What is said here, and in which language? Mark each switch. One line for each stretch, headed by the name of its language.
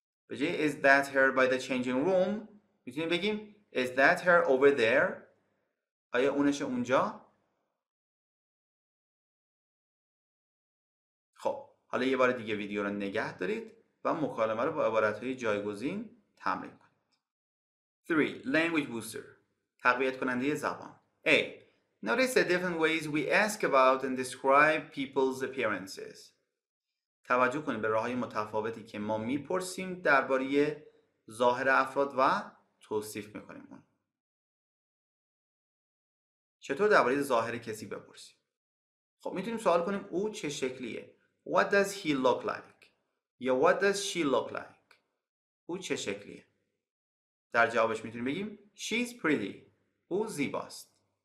Persian: به جای
English: Is that her by the changing room؟
Persian: میتونیم بگیم
English: Is that her over there؟
Persian: آیا اونش اونجا؟ حالا یه بار دیگه ویدیو رو نگه دارید و مکالمه رو با عبارت‌های جایگزین تمرین کنید. 3.
English: Language booster.
Persian: تقویت کننده زبان. A.
English: Notice the different ways we ask about and describe people's appearances.
Persian: توجه کنید به راه‌های متفاوتی که ما می‌پرسیم درباره ظاهر افراد و توصیف می‌کنیم. چطور درباره ظاهر کسی بپرسیم؟ خب میتونیم سوال کنیم او چه شکلیه؟
English: What does he look like؟
Persian: یا
English: What does she look like؟
Persian: او چه شکلیه؟ در جوابش میتونیم بگیم
English: She's pretty.
Persian: او زیباست.